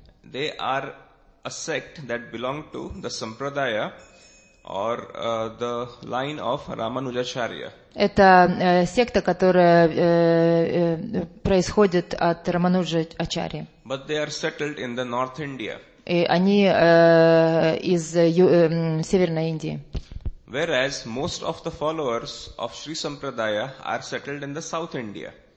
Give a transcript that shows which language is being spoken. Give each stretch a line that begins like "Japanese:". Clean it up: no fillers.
English: They are a sect that belong to the Sampradaya or the line of Ramanujacharya.
Russian: Это секта, которая происходит от Рамануджачарьи.
English: But they are settled in the North India.
Russian: И они из Северной Индии.
English: Whereas most of the followers of Shri Sampradaya are settled in the South India.